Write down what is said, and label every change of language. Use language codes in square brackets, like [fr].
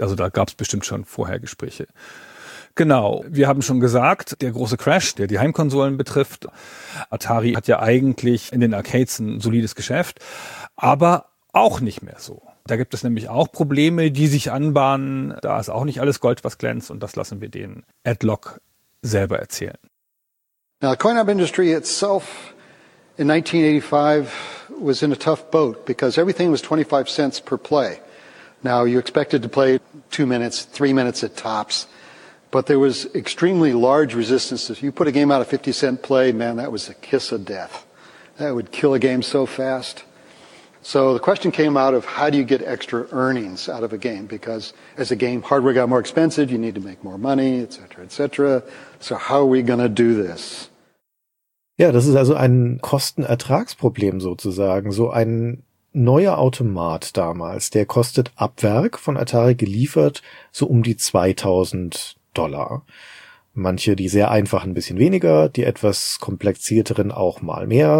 [de] Also da gab es bestimmt schon vorher Gespräche. Genau, wir haben schon gesagt, der große Crash, der die Heimkonsolen betrifft. Atari hat ja eigentlich in den Arcades ein solides Geschäft, aber auch nicht mehr so. Da gibt es nämlich auch Probleme, die sich anbahnen. Da ist auch nicht alles Gold, was glänzt, und das lassen wir den Adlock selber erzählen. [en] Now, the coin-op industry itself in 1985 was in a tough boat because everything was 25 cents per play. Now, you expected to play 2 minutes, 3 minutes at tops. But there was extremely large resistance. If you put a game out of 50-cent play, man, that was a kiss of death. That would kill a game so fast. So the question came out of how do you get extra earnings out of a game? Because as a game, hardware got more expensive, you need to make more money, et cetera, et cetera. So how are we going to do this? [de] Ja, das ist also ein Kostenertragsproblem sozusagen. So ein neuer Automat damals, der kostet ab Werk von Atari geliefert so um die 2000 Dollar. Manche, die sehr einfachen, ein bisschen weniger, die etwas komplizierteren auch mal mehr.